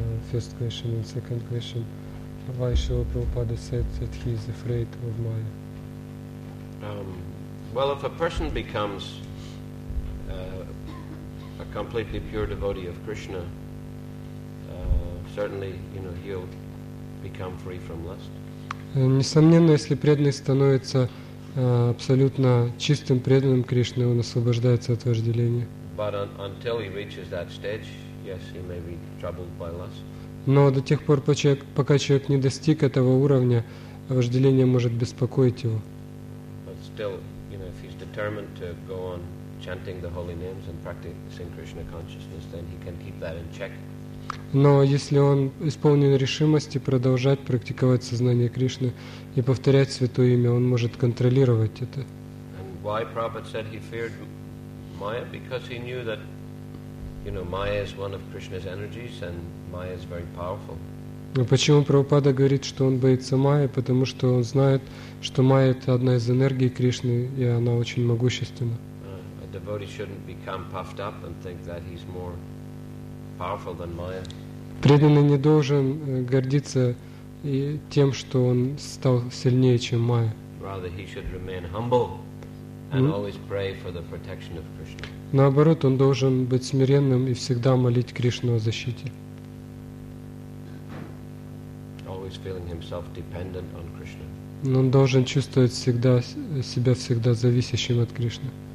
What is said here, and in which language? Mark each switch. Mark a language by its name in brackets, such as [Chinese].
[English] First question and second question. Why Srila Prabhupada said that he is afraid of Maya? Well, if a person becomes a completely pure devotee of Krishna, certainly, you know, he'll become free from lust. [Russian] Несомненно, если преданный становится абсолютно чистым преданным Кришне, он освобождается от вожделения. [English] But until he reaches that stage, yes, he may be troubled by lust. [Russian] Но до тех пор, пока человек не достиг этого уровня, вожделение может беспокоить его. [English] But still, you know, if he's determined to go on chanting the holy names and practicing Krishna consciousness, then he can keep that in check. [Russian] Но если он исполнен решимости продолжать практиковать сознание Кришны и повторять святое имя, он может контролировать это. [English] And why Prabhupada said he feared Maya? Because he knew that, you know, Maya is one of Krishna's energies and Maya is very powerful. [Russian] Но почему Прабхупада говорит, что он боится Майи? Потому что он знает, что Майя это одна из энергий Кришны, и она очень могущественна. [English] A devotee shouldn't become puffed up and think that he's more powerful than Maya. [Russian] Преданный не должен гордиться тем, что он стал сильнее, чем Майя. [English] Rather, he should remain humble and always pray for the protection of Krishna. [Russian] Наоборот, он должен быть смиренным и всегда молить Кришну о защите. [English] Always feeling himself dependent on Krishna. [Russian] Но он должен чувствовать всегда себя всегда зависящим от Кришны.